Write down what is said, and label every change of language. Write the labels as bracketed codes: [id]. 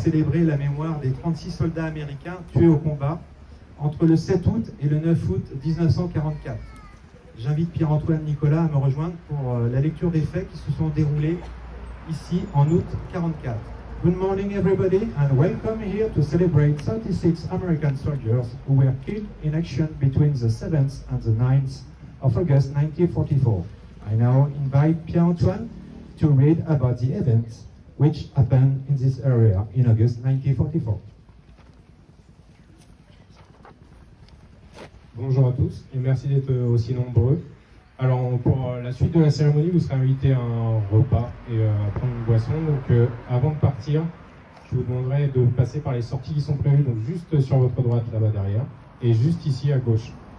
[fr] célébrer la mémoire des 36 soldats américains tués au combat entre le 7 août et le 9 août 1944. J'invite Pierre-Antoine Nicolas à me rejoindre pour la lecture des faits qui se sont déroulés ici en août 1944. [en] Good morning everybody and welcome here to celebrate 36 American soldiers who were killed in action between the 7th and the 9th of August 1944. I now invite Pierre-Antoine to read about the events which happened in this area in August 1944. [fr] Bonjour à tous et merci d'être aussi nombreux. Alors pour la suite de la cérémonie, vous serez invités à un repas et à prendre une boisson. Donc avant de partir, je vous demanderai de passer par les sorties qui sont prévues, donc juste sur votre droite là-bas derrière et juste ici à gauche.